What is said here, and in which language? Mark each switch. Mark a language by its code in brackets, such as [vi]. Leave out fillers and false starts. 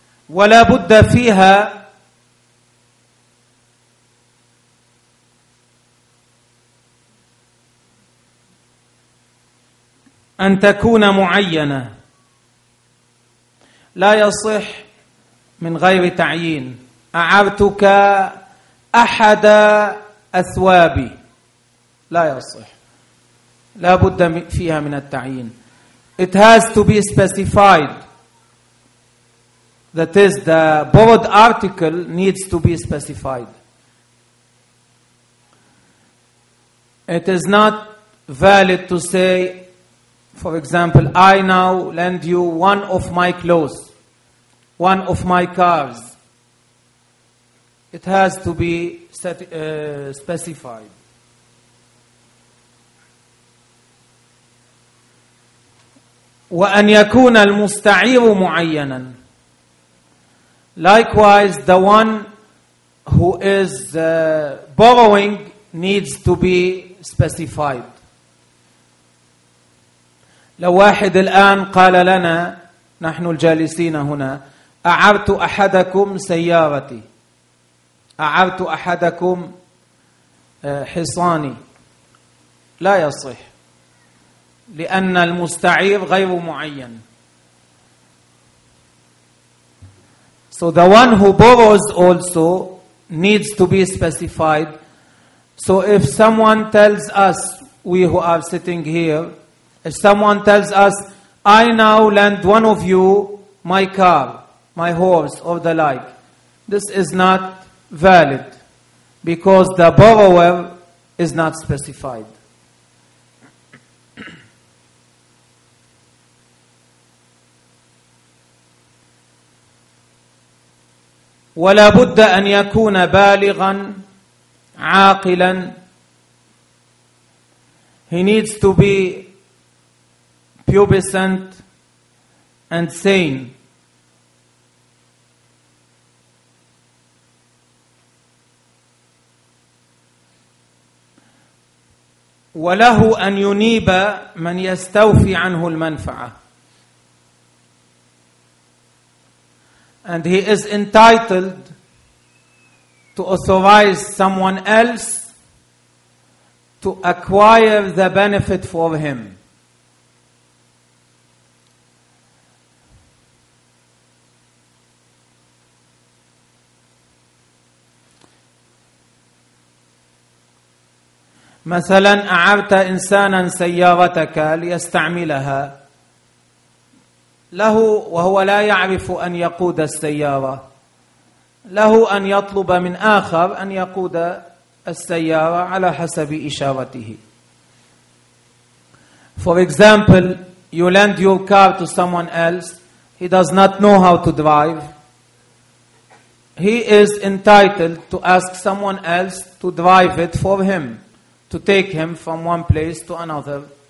[ar] ولا بد فيها أن تكون معينة، لا يصح من غير تعيين. أعرتك أحد أثوابي، لا يصح، لا بد فيها من التعيين. [en] It has to be specified. That is, the borrowed article needs to be specified. It is not valid to say, for example, I now lend you one of my clothes, one of my cars. It has to be specified. [ar] وأن يكون المستعير معينا. [en] Likewise, the one who is borrowing needs to be specified. [ar] لو واحد الآن قال لنا نحن الجالسين هنا أعرت أحدكم سيارتي، أعرت أحدكم حصاني، لا يصح، لأن المستعير غير معين. [en] So the one who borrows also needs to be specified. So if someone tells us, we who are sitting here, if someone tells us, I now lend one of you my car, my horse, or the like, this is not valid because the borrower is not specified. [ar] ولا بد أن يكون بالغا عاقلا. [en] He needs to be pubescent and sane. [ar] وله أن ينيب من يستوفي عنه المنفعة. [en] And he is entitled to authorize someone else to acquire the benefit for him. [ar] مثلا أعرت إنسانا سيارتك ليستعملها له وهو لا يعرف أن يقود السيارة، له أن يطلب من آخر أن يقود السيارة على حسب إشارته. [en] For example, you lend your car to someone else, he does not know how to drive. He is entitled to ask someone else to drive it for him, to take him from one place to another.